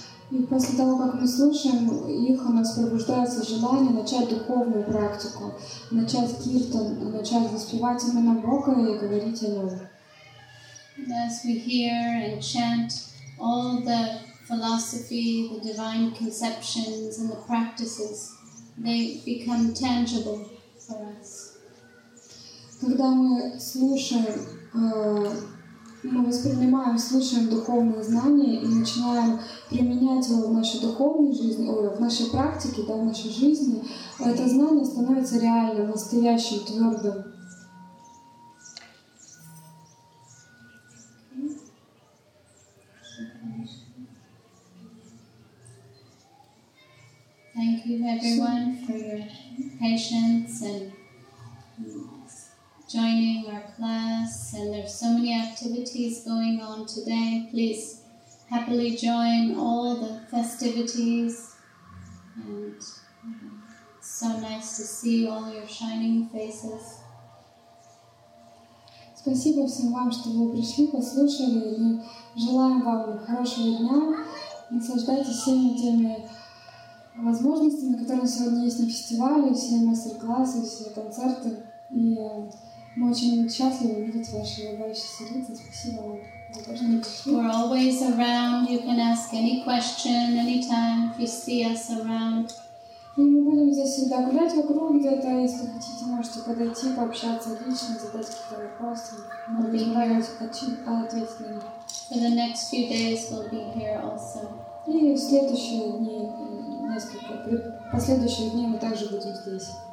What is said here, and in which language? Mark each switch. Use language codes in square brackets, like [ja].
[ru] И после того, как мы слушаем их, у нас пробуждается желание начать духовную практику, начать киртан, начать воспевать имена Бога и говорить о Нем. [en] As we hear and chant all the philosophy, the divine conceptions and the practices, they become tangible for us. [ru] Когда мы слушаем мы воспринимаем, слушаем духовные знания и начинаем применять его в нашей духовной жизни, в нашей практике, да, в нашей жизни, это знание становится реальным, настоящим, твердым. [en] Thank you everyone for your patience and joining our class, and there's so many activities going on today. Please happily join all the festivities, and so nice to see all your shining faces. [ru] Спасибо всем вам, что вы пришли, послушали. Мы желаем вам хорошего дня. Наслаждайтесь всеми теми возможностями, которые сегодня есть на фестивале, все мастер-классы, все концерты. Мы очень счастливы видеть ваши улыбающиеся лица. Спасибо вам. [en] We're always around. You can ask any question anytime if you see us around. [ru] И мы будем здесь всегда гулять вокруг где-то. Если хотите, можете подойти, пообщаться лично, задать какие-то вопросы. Мы будем рады ответить на них. [en] For the next few days we'll be here also. [ru] И в следующие дни, несколько, в последующие дни мы также будем здесь.